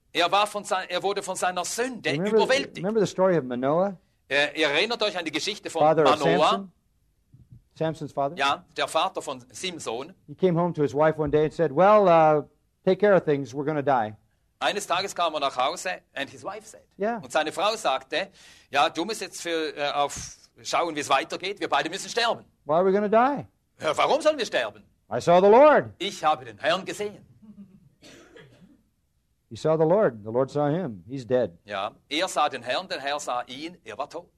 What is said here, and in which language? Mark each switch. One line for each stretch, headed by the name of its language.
German: Er wurde von seiner Sünde
English: remember
German: überwältigt.
English: Remember the story of Manoah?
German: Erinnert euch an die Geschichte von Manoah?
English: Samson's father?
German: Ja, der Vater von Simson.
English: He came home to his wife one day and said, well, take care of things, we're going to die.
German: Eines Tages kam er nach Hause,
English: and his wife said, yeah.
German: Und seine Frau sagte, ja, du musst jetzt auf schauen, wie es weitergeht, wir beide müssen sterben.
English: Why are we going to die?
German: Warum sollen wir sterben?
English: I saw the Lord.
German: Ich habe den Herrn gesehen.
English: He saw the Lord. The Lord saw him. He's dead.
German: Ja, er sah den Herrn, der Herr sah ihn, er war tot.